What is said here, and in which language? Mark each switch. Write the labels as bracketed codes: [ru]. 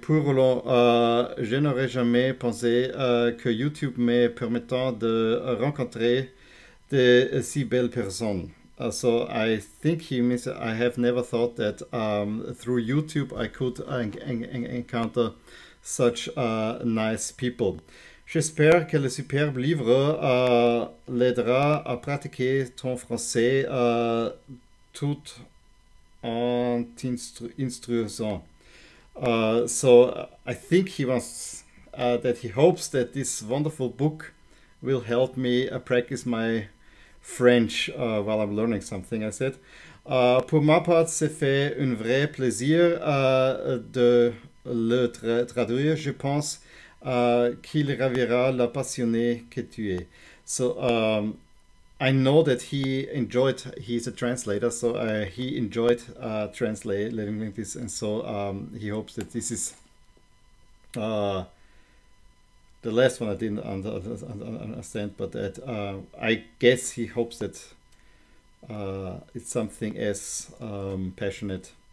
[fr] Pour Roland, je n'aurais jamais pensé que YouTube me permettant de rencontrer de si belles personnes. [en] So I think he means I have never thought that through YouTube I could encounter such nice people. [fr] J'espère que le superbe livre l'aidera à pratiquer ton français tout en t'instruisant. [en] So I think he wants that he hopes that this wonderful book will help me practice my French while I'm learning something. I said, [fr] pour ma part, c'est fait un vrai plaisir de le traduire. Je pense qu'il ravira la passionné que tu es. [en] So I know that he enjoyed. He's a translator, so he enjoyed translating this, and so he hopes that this is the last one I didn't understand, but that I guess he hopes that it's something as passionate.